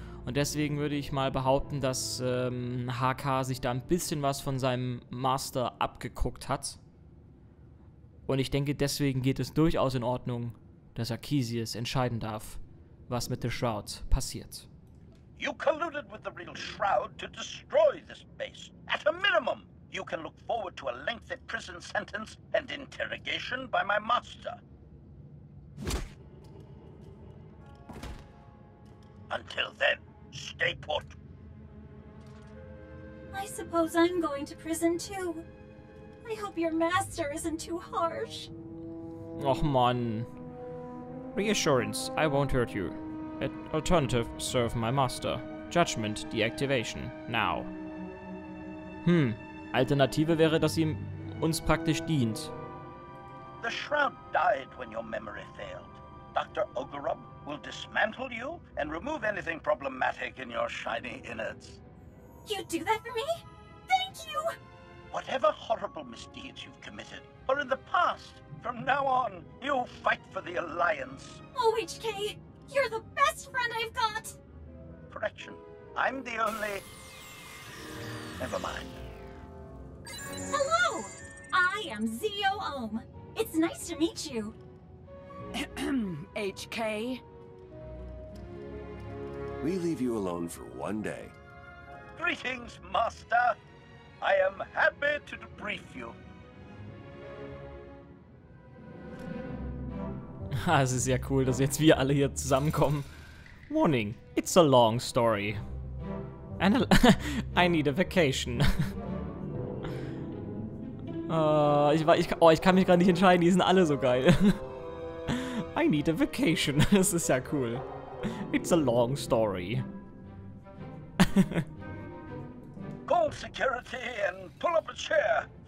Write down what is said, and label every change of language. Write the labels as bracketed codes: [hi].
[de] Und deswegen würde ich mal behaupten, dass HK sich da ein bisschen was von seinem Master abgeguckt hat. Und ich denke, deswegen geht es durchaus in Ordnung, dass Arkesius entscheiden darf, was mit The Shroud passiert. [en] You colluded with the real Shroud to destroy this base, at a minimum. You can look forward to a lengthy prison sentence and interrogation by my master. Until then, stay put. I suppose I'm going to prison too. I hope your master isn't too harsh. [de] Och man. [en] Reassurance, I won't hurt you. Alternative, serve my master. Judgment, deactivation, now. [de] Alternative wäre, dass sie uns praktisch dient. [en] The Shroud died when your memory failed. Dr. Ogorob will dismantle you and remove anything problematic in your shiny innards. You do that for me? Thank you! Whatever horrible misdeeds you've committed are in the past. From now on, you fight for the Alliance. Oh, HK, you're the best friend I've got! Correction, I'm the only... Never mind. Hello! I am Zeo Ohm. It's nice to meet you. HK? We leave you alone for one day. Greetings, Master. I am happy to debrief you. [de] Es ist ja cool, dass jetzt wir alle hier zusammenkommen. [en] Warning, it's a long story. And I need a vacation. [de] Ich kann mich gerade nicht entscheiden, die sind alle so geil. [en] I need a vacation, [de] das ist ja cool. [en] It's a long story. Call security and pull up a chair.